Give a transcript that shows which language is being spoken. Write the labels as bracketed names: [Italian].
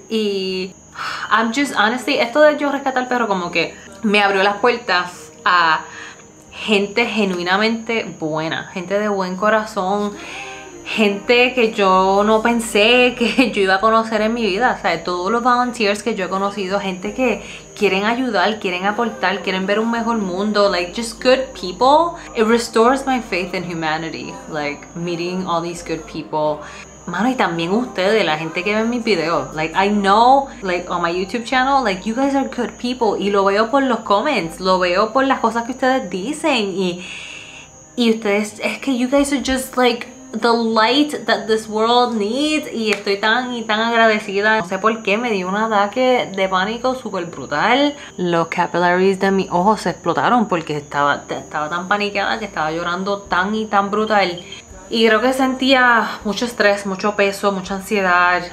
[Spanish] Y I'm just honestly, esto de yo rescatar al perro como que me abrió las puertas a gente genuinamente buena, gente de buen corazón, gente que yo no pensé que yo iba a conocer en mi vida. O sea, todos los volunteers que yo he conocido, gente que quieren ayudar, quieren aportar, quieren ver un mejor mundo. [English] Like, just good people. It restores my faith in humanity. [Spanish] Like, meeting all these good people. Mano, y también ustedes, la gente que ve mis videos. [English] Like, I know, like, on my YouTube channel, like, you guys are good people. [Spanish] Y lo veo por los comments, lo veo por las cosas que ustedes dicen. [English] Y ustedes, es que you guys are just, like, the light that this world needs. [Spanish] Y estoy tan y tan agradecida. No sé por qué me dio un ataque de pánico súper brutal. Los capillaries de mis ojos se explotaron porque estaba tan paniqueada que estaba llorando tan y tan brutal. Y creo que sentía mucho estrés, mucho peso, mucha ansiedad.